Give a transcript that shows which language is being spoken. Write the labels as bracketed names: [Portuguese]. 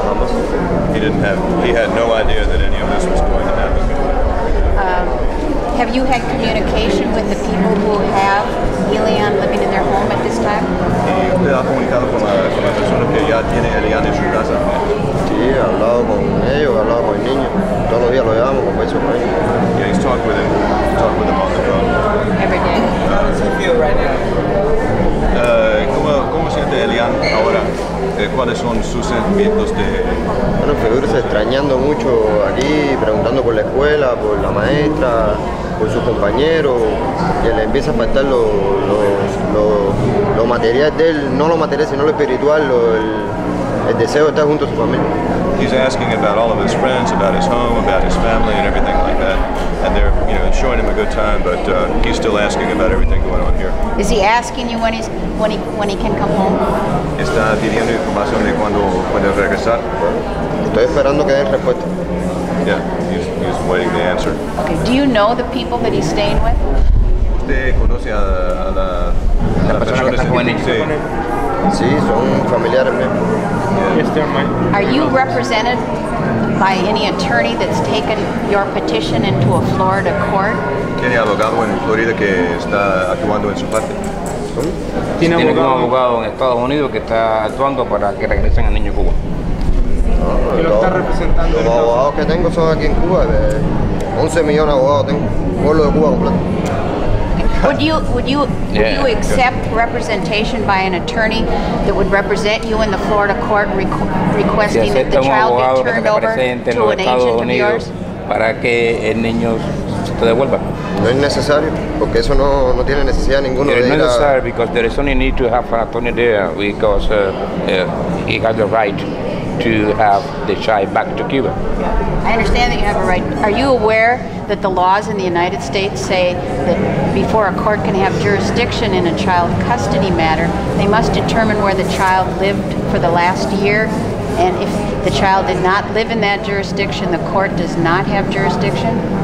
[English] He had no idea that any of this was going to happen. Have you had communication with the people who have Elian living in their home at this time? [Spanish] He ha comunicado con la persona que ya tiene Elian en su casa. Sí, he hablado con ellos, he hablado con el niño. Todos los días lo llamo, como eso. [English] Yeah, he's talked with him. Talked with him on the phone. Every day. How does he feel right now? [Spanish] ¿Cómo siente Elian ahora? ¿Cuáles son sus sentimientos de...? Bueno, figúrese extrañando mucho aquí, preguntando por la escuela, por la maestra, por sus compañeros, que le empieza a faltar lo material de él, no lo material, sino lo espiritual, el deseo de estar junto a su familia. [English] He's asking about all of his friends, about his home, about his family and everything like that. And they're, you know, showing him a good time, but he's still asking about everything going on here. Is he asking you when he can come home? [Spanish] Está pidiendo información de cuándo puede regresar. Estoy esperando que den respuesta. [English] Yeah, he's waiting the answer. Okay, do you know the people that he's staying with? [Spanish] ¿Usted conoce a la persona que está con él? Sí, son familiares míos. [English] Are you represented by any attorney that's taken your petition into a Florida court? [Spanish] ¿Tiene abogado en Florida que está actuando en su parte? ¿Tiene un abogado en Estados Unidos que está actuando para que regresen al niño a Cuba? ¿Y lo está representando? Los abogados que tengo son aquí en Cuba. 11 millones de abogados tengo. Pueblo de Cuba completo. [English] Would you accept representation by an attorney that would represent you in the Florida court requesting that the child be turned over to an agent of yours? [Spanish] Para que el niño se devuelva. No es necesario, porque eso no tiene necesidad ninguno. [English] It's necessary because there is only need to have an attorney there because he has the right to have the child back to Cuba. I understand that you have a right. Are you aware that the laws in the United States say that before a court can have jurisdiction in a child custody matter, they must determine where the child lived for the last year, and if the child did not live in that jurisdiction, the court does not have jurisdiction?